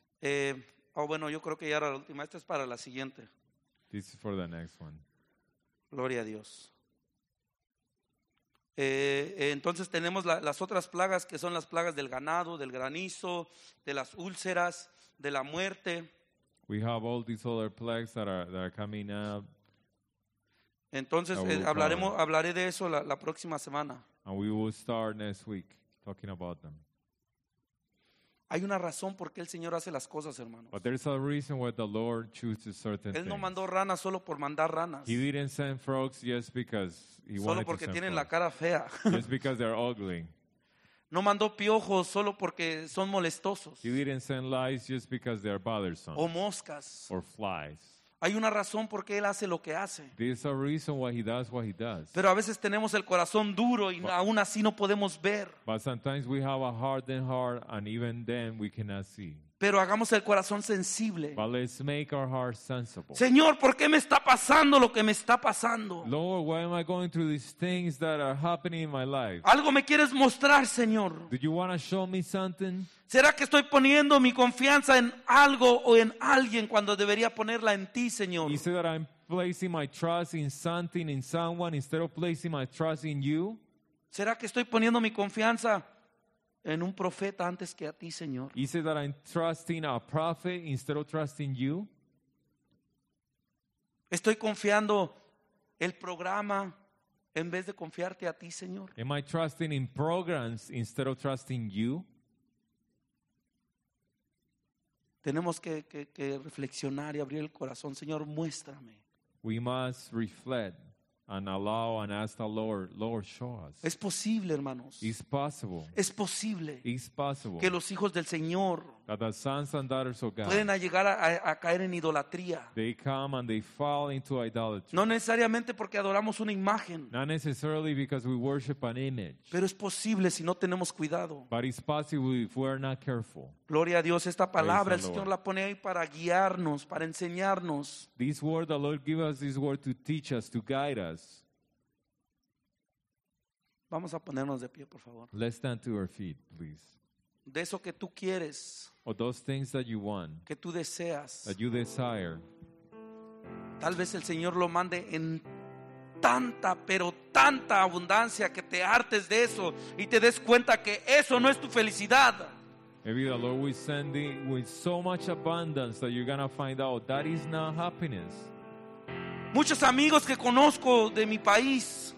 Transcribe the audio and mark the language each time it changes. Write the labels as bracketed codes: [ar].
[es] Yo creo que ya era la última. Esta es para la siguiente. [en] This is for the next one. [es] Gloria a Dios. Entonces tenemos las otras plagas, que son las plagas del ganado, del granizo, de las úlceras, de la muerte. [en] We have all these other plagues that are coming up. [es] Entonces hablaré de eso la próxima semana. [en] And we will start next week talking about them. [es] Hay una razón por qué el Señor hace las cosas, hermanos. [en] But there's a reason why the Lord chooses certain things. [es] Él no mandó ranas solo por mandar ranas. [en] He didn't send frogs just because he wanted to send frogs. [es] Solo porque tienen la cara fea. [en] Just because they're ugly. [es] No mandó piojos solo porque son molestosos. [en] He didn't send lice just because they're bothersome. [es] O moscas. [en] Or flies. [es] Hay una razón por qué él hace lo que hace. [en] There's a reason why he does what he does. [es] Pero a veces tenemos el corazón duro y aún así no podemos ver. [en] But sometimes we have a hardened heart and even then we cannot see. [es] Pero hagamos el corazón sensible. [en] But let's make our heart sensible. [es] Señor, ¿por qué me está pasando lo que me está pasando? [en] Lord, why am I going through these things that are happening in my life? [es] ¿Algo me quieres mostrar, Señor? [en] Do you want to show me something? [es] ¿Será que estoy poniendo mi confianza en algo o en alguien cuando debería ponerla en ti, Señor? [en] You say that I'm placing my trust in something, in someone, instead of placing my trust in you? [es] ¿Será que estoy poniendo mi confianza en un profeta antes que a ti, Señor? [en] You say that I'm trusting a prophet instead of trusting you? [es] ¿Estoy confiando el programa en vez de confiarte a ti, Señor? [en] Am I trusting in programs instead of trusting you? [es] Tenemos que reflexionar y abrir el corazón. Señor, muéstrame. [en] We must reflect and allow and ask the Lord, Lord, show us. [es] Es posible, hermanos. [en] It's possible. [es] Es posible. [en] It's possible. [es] Que los hijos del Señor, [en] that the sons and daughters of God, [es] pueden llegar a caer en idolatría. [en] They come and they fall into idolatry. [es] No necesariamente porque adoramos una imagen. [en] Not necessarily because we worship an image. [es] Pero es posible si no tenemos cuidado. [en] But it's possible if we are not careful. [es] Gloria a Dios, esta palabra el Señor la pone ahí para guiarnos, para enseñarnos. [en] This word, the Lord gives us this word to teach us, to guide us. [es] Vamos a ponernos de pie, por favor. [en] Let's stand to our feet, please. [es] De eso que tú quieres, [en] or those things that you want, [es] que tú deseas, [en] that you desire. [es] Tal vez el Señor lo mande en tanta, pero tanta abundancia que te hartes de eso y te des cuenta que eso no es tu felicidad. [en] Maybe the Lord will send it with so much abundance that you're gonna find out that is not happiness. [es] Muchos amigos que conozco de mi país,